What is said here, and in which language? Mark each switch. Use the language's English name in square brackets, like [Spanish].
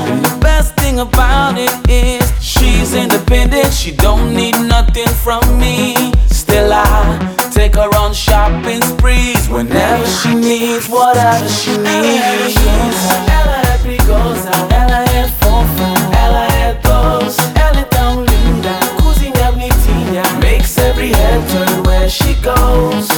[English] And the best thing about it is she's independent, she don't need nothing from me. Still I take her on shopping sprees whenever she needs, whatever she needs. [Portuguese] Ela é perigosa, ela é fofa, ela é doce, ela é tão linda. Cozinha bonitinha, [English] makes every head turn where she goes.